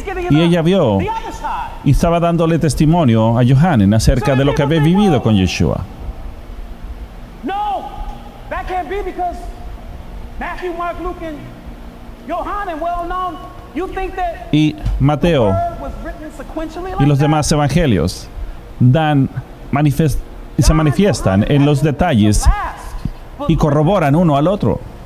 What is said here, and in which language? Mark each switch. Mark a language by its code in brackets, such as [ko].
[es] Y ella vio y estaba dándole testimonio a Johanan acerca de lo que había vivido con Yeshua. [en] No, that can't be because Matthew, Mark, Luke, and Johanan, well known. You think that [es] y Mateo y los demás evangelios dan manifest y se manifiestan en los detalles y corroboran uno al otro.